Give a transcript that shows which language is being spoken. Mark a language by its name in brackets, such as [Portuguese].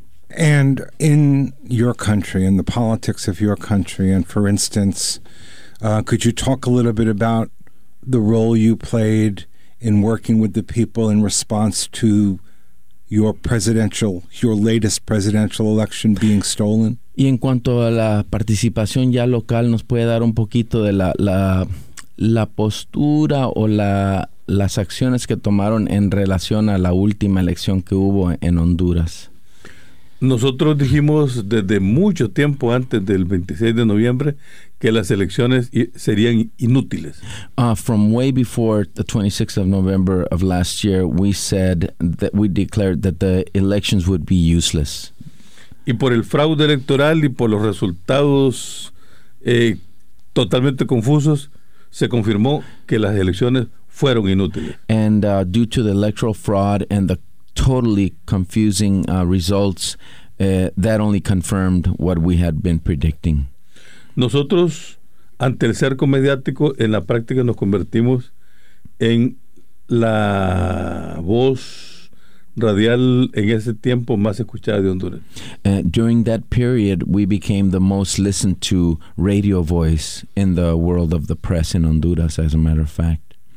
[English] And in your country, in the politics of your country, and for instance, could you talk a little bit about the role you played in working with the people in response to your latest presidential election being stolen? [Spanish] Y en cuanto a la participación ya local, ¿nos puede dar un poquito de la postura o las acciones que tomaron en relación a la última elección que hubo en Honduras? Nosotros dijimos desde mucho tiempo antes del 26 de noviembre que las elecciones serían inútiles. [English] From way before the 26th of November of last year, we declared that the elections would be useless. [Spanish] Y por el fraude electoral y por los resultados totalmente confusos, se confirmó que las elecciones fueron inútiles. [English] And due to the electoral fraud and the totally confusing results, that only confirmed what we had been predicting. [Spanish] Nosotros, ante el cerco mediático, en la práctica nos convertimos en la voz radial en ese tiempo más escuchada de Honduras. [English] During that period, we became the most listened to radio voice in the world of the press in Honduras, as a matter of fact.